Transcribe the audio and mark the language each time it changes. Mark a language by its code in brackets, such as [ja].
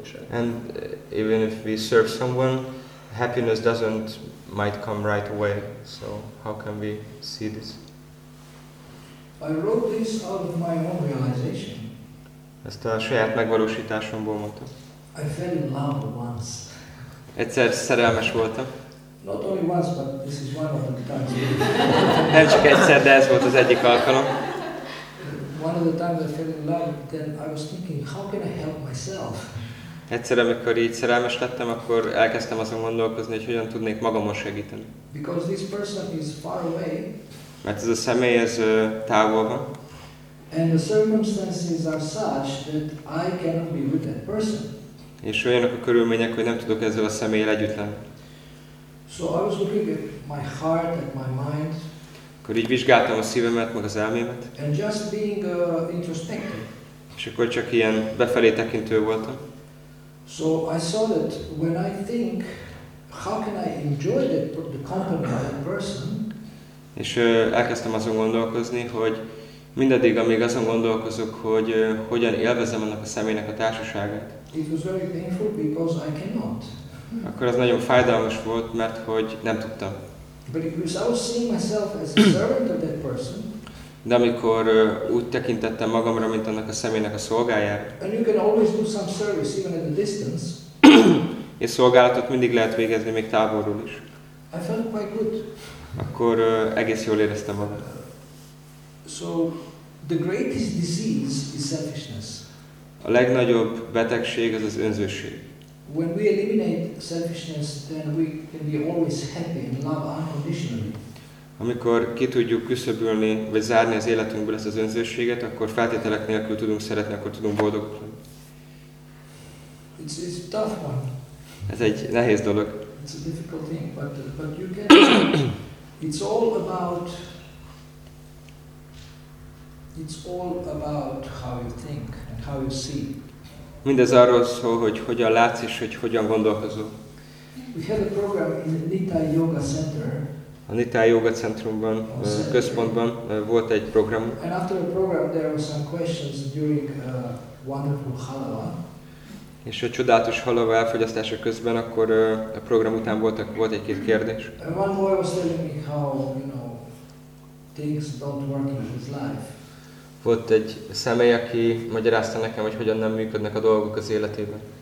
[en] And even if we serve someone, happiness might come right away. So how can we see this? I wrote this out of my own realization. [hu] Ezt a saját megvalósításomból mondtam. [en] I fell in love once. [hu] Egyszer szerelmes voltam. [en] Not only once, but this is one of the times. [hu] Nem csak egyszer, de ez volt az egyik alkalom. [en] One of the times I fell in love, then I was thinking, how can I help myself? [hu] Egyszer, amikor így szerelmes lettem, akkor elkezdtem azon gondolkozni, hogy hogyan tudnék magamon segíteni. [en] Because this person is far away. [hu] Mert ez a személy, ez távol van. [en] And the circumstances are such that I cannot be with that person. [hu] És olyanok a körülmények, hogy nem tudok ezzel a személlyel együtt lenni. [en] So I was looking at my heart and my mind. [hu] Akkor így vizsgáltam a szívemet, meg az elmémet. [en] And just being introspective. [hu] És akkor csak ilyen befelé tekintő voltam. [en] So I saw that when I think, how can I enjoy the company of that person? [hu] És elkezdtem azon gondolkozni, hogy mindaddig, amíg azon gondolkozok, hogy hogyan élvezem annak a személynek a társaságát. [en] It was very painful because I cannot. [hu] Akkor az nagyon fájdalmas volt, mert hogy nem tudtam. [en] But if I was seeing myself as a servant of that person. [hu] De amikor úgy tekintettem magamra, mint annak a személynek a szolgáját. [en] And you can always do some service even at a distance. [hu] És szolgálatot mindig lehet végezni még távolról is. [en] I felt quite good. [hu] Akkor egész jól éreztem magam. [en] So the greatest disease is selfishness. [hu] A legnagyobb betegség az az önzőség. [en] When we eliminate selfishness, then we can be always happy and love unconditionally. [hu] Amikor ki tudjuk küszöbölni vagy zárni az életünkből ezt az önzőséget, akkor feltételek nélkül tudunk szeretni, akkor tudunk boldogulni. [en] It's a tough one. [hu] Ez egy nehéz dolog. [en] It's a difficult thing, but you can. It's all about how you think and how you see. [hu] Mindez arról szól, hogy hogyan látsz és hogy hogyan gondolkozol. [en] We had a program in the Nitya Yoga Center. [hu] A Nitya Yoga Centrumban, központban volt egy program. [en] And after the program, there were some questions during wonderful halava. [hu] És a csodálatos halava elfogyasztása közben, akkor a program után volt egy-két kérdés. [en] And one boy was telling me how, you know, things don't work in his life. [hu] Volt egy személy, aki magyarázta nekem, hogy hogyan nem működnek a dolgok az életében.